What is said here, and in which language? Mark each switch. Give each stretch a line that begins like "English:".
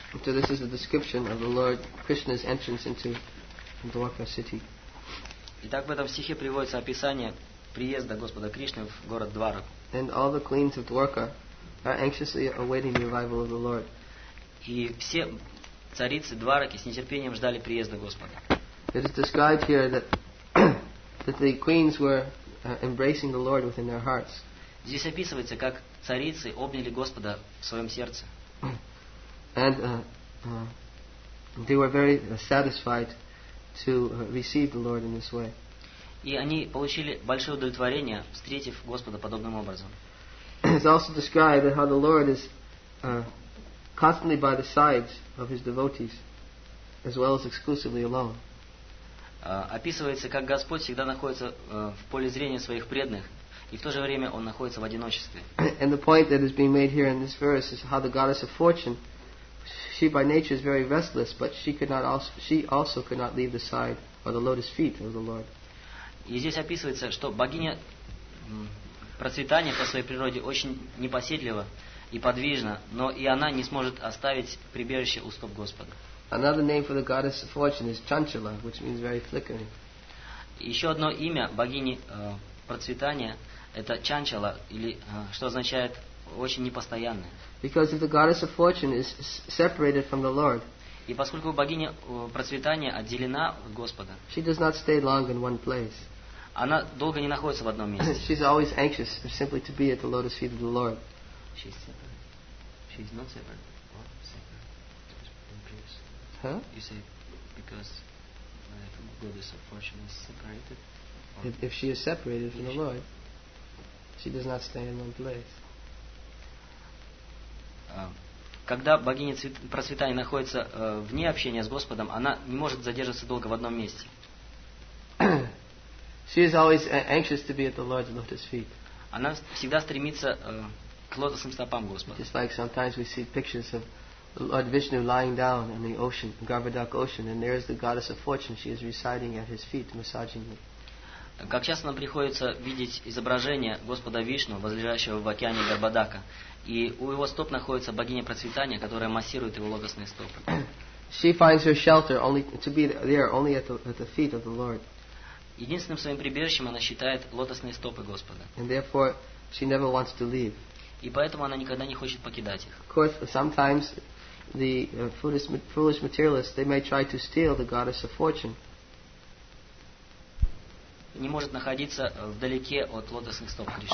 English: So this is a description of the Lord Krishna's entrance into Dwarka city.
Russian: Итак, в этом стихе приводится описание приезда Господа Кришны в город Дварак.
English: And all the queens of Dwarka are anxiously awaiting the arrival of the Lord.
Russian: И все царицы Двараки с нетерпением ждали приезда Господа.
English: It is described here that the queens were embracing the Lord within their hearts.
Russian: Здесь описывается, как царицы обняли Господа в своем сердце.
English: And they were very satisfied to receive the Lord in this way.
Russian: И они получили большое удовлетворение, встретив Господа подобным образом.
English: It's also described how the Lord is constantly by the sides of his devotees, as well as exclusively alone.
Russian: Описывается, как Господь всегда находится в поле зрения своих преданных, и в то же время Он находится в одиночестве.
English: And the point that is being made here in this verse is how the goddess of fortune, she by nature is very restless, but she also could not leave the side or the lotus feet of the Lord.
Russian: И здесь описывается, что богиня процветания по своей природе очень непоседлива и подвижна, но и она не сможет оставить прибежище у стоп Господа.
English: Another name for the goddess of fortune is Chanchala, which means very flickering.
Russian: Еще одно имя богини процветания это Чанчала, или что означает очень непостоянная.
English: Because if the goddess of fortune is separated from the Lord,
Russian: и поскольку богиня процветания отделена от Господа,
English: she does not stay long in one place.
Russian: Она долго не находится в одном месте.
English: She's always anxious simply to be at the lotus feet of the Lord. She's not separated. What? Separated. In previous. Huh? You say because the goddess of fortune is separated If she is separated from the Lord, she does not stay in one place.
Russian: Когда богиня просветания находится вне общения с Господом, она не может задерживаться долго в одном месте.
English: She is always anxious to be at the Lord's lotus feet.
Russian: Она всегда стремится к лотосным стопам Господа.
English: Just like sometimes we see pictures of Lord Vishnu lying down in the ocean, Garbhodak ocean, and there is the goddess of fortune. She is reciting at his feet, massaging him.
Russian: Как часто нам приходится видеть изображение Господа Вишну, возлежащего в океане Гарбадака, и у его стоп находится богиня процветания, которая массирует его лотосные стопы.
English: She finds her shelter only to be there only at the feet of the Lord.
Russian: Единственным своим прибежищем она считает лотосные стопы Господа.
English: And therefore she never wants to leave.
Russian: И поэтому она никогда не хочет покидать их.
English: Of course, sometimes the foolish materialists, they may try to steal the goddess of fortune.
Russian: Не может находиться вдалеке от лотосных стоп Кришны.